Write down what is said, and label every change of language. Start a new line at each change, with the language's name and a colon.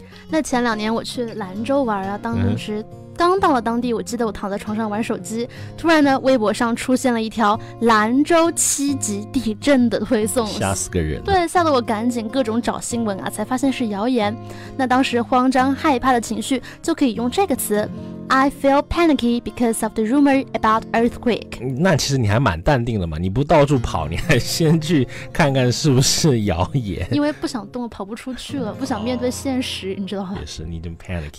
Chinese: 那前两年我去兰州玩啊，当时刚到了当地，我记得我躺在床上玩手机，突然呢微博上出现了一条兰州七级地震的推送，吓死个人。对，吓得我赶紧各种找新闻啊，才发现是谣言。那当时慌张害怕的情绪就可以用这个词
English: I feel panicky because of the rumor about earthquake.
Chinese: 那其实你还蛮淡定的嘛，你不到处跑，你还先去看看是不是谣言。因为不想动了，跑不出去了，不想面对现实，你知道吗？也是，你就 panicky。